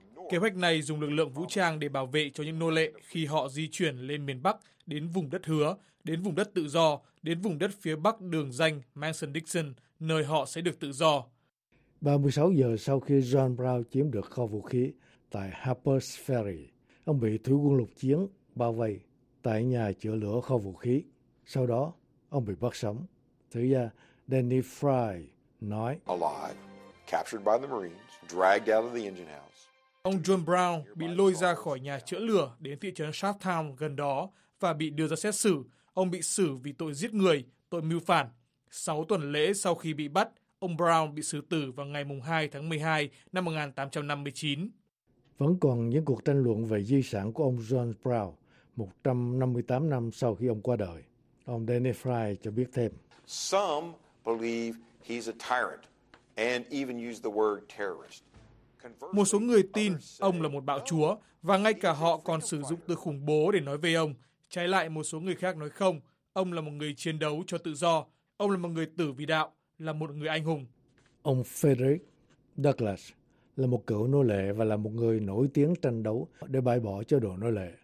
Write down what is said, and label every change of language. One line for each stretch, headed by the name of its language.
Vietnamese: Kế hoạch này dùng lực lượng vũ trang để bảo vệ cho những nô lệ khi họ di chuyển lên miền Bắc, đến vùng đất hứa, đến vùng đất tự do, đến vùng đất phía bắc đường danh Mason-Dixon, nơi họ sẽ được tự do. 36 giờ sau khi John Brown chiếm được kho vũ khí tại Harper's Ferry, ông bị thủy quân lục chiến bao vây tại nhà chữa lửa kho vũ khí. Sau đó, ông bị bắt sống. Thứ gia Danny Fry nói:
English: "Alive, captured by the Marines, dragged out of the engine house."
Vietnamese: Ông John Brown bị lôi ra khỏi nhà chữa lửa đến thị trấn Sharptown gần đó và bị đưa ra xét xử. Ông bị xử vì tội giết người, tội mưu phản. 6 tuần lễ sau khi bị bắt, ông Brown bị xử tử vào ngày 2 tháng 12 năm 1859. Vẫn còn những cuộc tranh luận về di sản của ông John Brown 158 năm sau khi ông qua đời. Ông Danny Fry cho biết thêm:
English: "Some believe he's a tyrant and even use the word terrorist."
Vietnamese: Một số người tin ông là một bạo chúa và ngay cả họ còn sử dụng từ khủng bố để nói về ông. Trái lại, một số người khác nói không, ông là một người chiến đấu cho tự do, ông là một người tử vì đạo, là một người anh hùng. Ông Frederick Douglass là một cựu nô lệ và là một người nổi tiếng tranh đấu để bãi bỏ chế độ nô lệ.